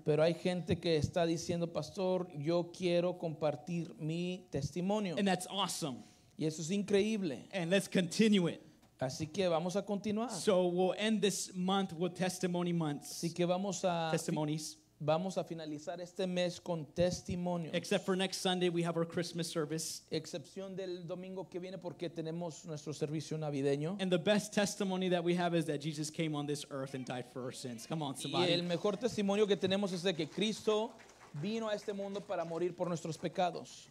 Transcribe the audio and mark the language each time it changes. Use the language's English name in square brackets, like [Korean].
[Spanish] Pero hay gente que está diciendo, Pastor, yo quiero compartir mi testimonio. [English] And that's awesome. [Spanish] Y eso es increíble. [English] And let's continue it. [Spanish] Así que vamos a continuar. [English] So we'll end this month with testimony months. [Spanish] Así que vamos a [English] testimonies. [Spanish] Vamos a finalizar este mes con testimonios. [English] Except for next Sunday, we have our Christmas service. [Spanish] Excepción del domingo que viene porque tenemos nuestro servicio navideño. [English] And the best testimony that we have is that Jesus came on this earth and died for our sins. Come on, somebody. [Spanish] Y el mejor testimonio que tenemos es de que Cristo vino a este mundo para morir por nuestros pecados.